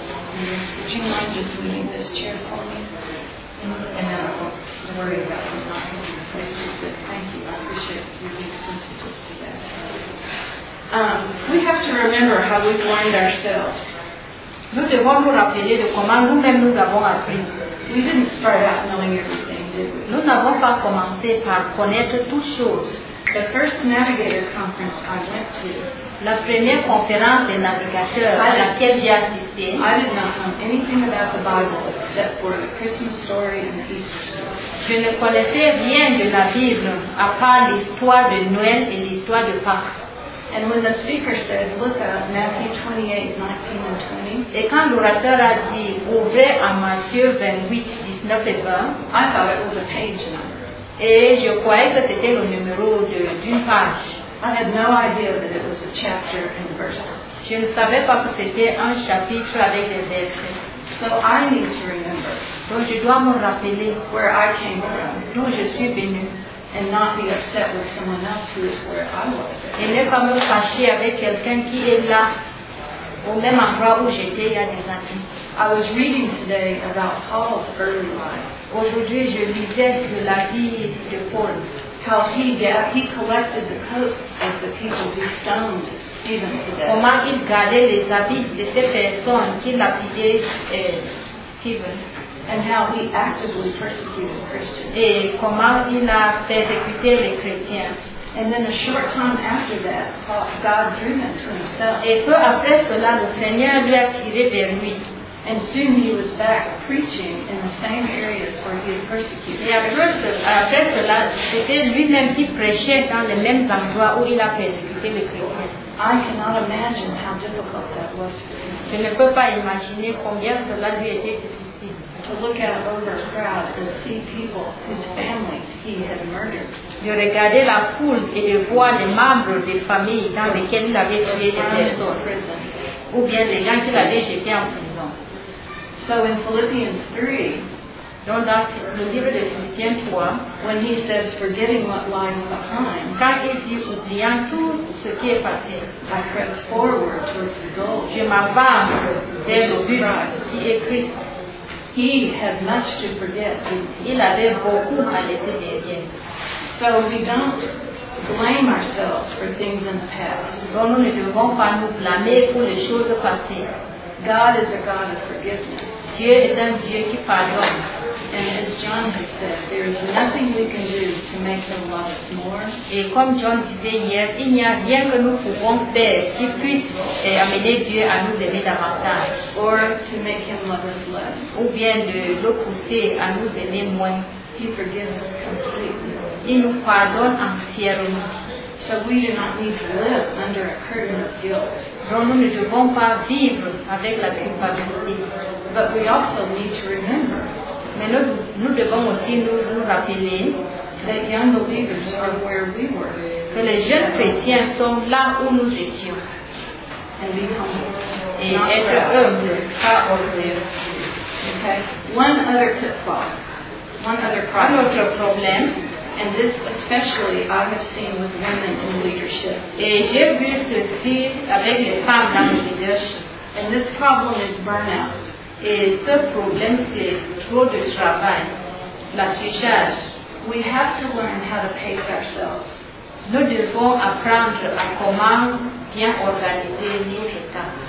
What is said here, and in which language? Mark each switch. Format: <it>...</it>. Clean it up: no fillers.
<en>Would you mind just leaving this chair for me? And then I won't worry about them not having a place to sit. Thank you. I appreciate you being sensitive to that. We have to remember how we've learned ourselves.</en> <fr>Nous devons nous rappeler de comment nous-mêmes nous avons appris.</fr> <en>We didn't start out knowing everything, did we?</en> <fr>Nous n'avons pas commencé par connaître toutes choses.</fr> <en>The first navigator conference I went to,</en> <fr>la première conférence des navigateurs à laquelle j'ai assisté,</fr> <en>I did not know anything about the Bible except for the Christmas story and the Easter story.</en> <fr>Je ne connaissais rien de la Bible à part l'histoire de Noël et l'histoire de Pâques.</fr> <en>And when the speaker said, look up Matthew 28:19-20,</en> <fr>et quand l'orateur a dit, ouvrez à Matthieu 28:19-20,</fr> <en>I thought it was a page number.</en> <fr>Et je croyais que c'était le numéro d'une page.</fr> <en>I had no idea that it was a chapter and verses.</en> <fr>Je ne savais pas que c'était un chapitre avec des versets.</fr> <en>So I need to remember.</en> <fr>Donc je dois me rappeler</fr> <en>where I came from.</en> <fr>D'où je suis venu.</fr> <en>And not be upset with someone else who is where I was.</en> <fr>Et ne pas me fâcher avec quelqu'un qui est là, au même endroit où j'étais il y a des années.</fr> <en>I was reading today about Paul's early life.</en> <fr>Aujourd'hui, je lisais de la vie de Paul.</fr> <en>How he collected the coats of the people who stoned Stephen to death.</en> <fr>Comment il gardait les habits de ces personnes qui lapidaient Stephen.</fr> <en>And how he actively persecuted Christians.</en> <fr>Et comment il a persécuté les chrétiens.</fr> <en>And then a short time after that, God drew him to himself.</en> <fr>Et peu après cela, le Seigneur lui a tiré vers lui.</fr> <en>And soon he was back preaching in the same areas where he had persecuted.</en> <fr>Et après cela, c'était lui-même qui prêchait dans les mêmes endroits où il a persécuté les chrétiens.</fr> <en>I cannot imagine how difficult that was for him.</en> <fr>Je ne peux pas imaginer combien cela lui était difficile.</fr> <en>To look out over a crowd and see people whose families he had murdered.</en> <fr>De regarder la foule et de voir les membres des familles dans lesquelles il avait tué des personnes. Ou bien les gens qu'il avait jetés en prison.</fr> <en>So in Philippians 3,</en> <fr>donc dans le livre de Philippiens 3,</fr> <en>when he says forgetting what lies behind,</en> <fr>quand il dit oubliant tout ce qui est passé,</fr> <en>I crept forward towards the goal.</en> <fr>Je m'avance vers le but qui est Christ.</fr> <en>He had much to forget.</en> <fr>Il avait beaucoup à laisser derrière.</fr> <en>So we don't blame ourselves for things in the past.</en> <fr>Donc nous ne devons pas nous blâmer pour les choses passées.</fr> <en>God is a God of forgiveness.</en> <fr>Dieu est un Dieu qui pardonne.</fr> <en>And as John has said, there is nothing we can do to make him love us more.</en> <fr>Et comme John disait hier, il n'y a rien que nous pouvons faire qui puisse amener Dieu à nous aimer davantage.</fr> <en>Or to make him love us less.</en> <fr>Ou bien de le pousser à nous aimer moins.</fr> <en>He forgives us completely.</en> <fr>Il nous pardonne entièrement.</fr> <en>So we do not need to live under a curtain of guilt.</en> <fr>Donc nous ne devons pas vivre avec la culpabilité.</fr> <en>But we also need to remember.</en> <fr>Mais nous devons aussi nous rappeler</fr> <en>that young believers are where we were.</en> <fr>Que les jeunes chrétiens sont là où nous étions.</fr> <en>And be humble.</en> <fr>Et être humble.</fr> <en>Okay. One other pitfall. one other problem. Problem. And this especially I have seen with women in leadership.</en> <fr>Et j'ai vu ceci avec les femmes dans le leadership.</fr> <en>And this problem is burnout.</en> <fr>Et ce problème c'est trop de travail, la surcharge.</fr> <en>We have to learn how to pace ourselves.</en> <fr>Nous devons apprendre à comment bien organiser notre temps.</fr>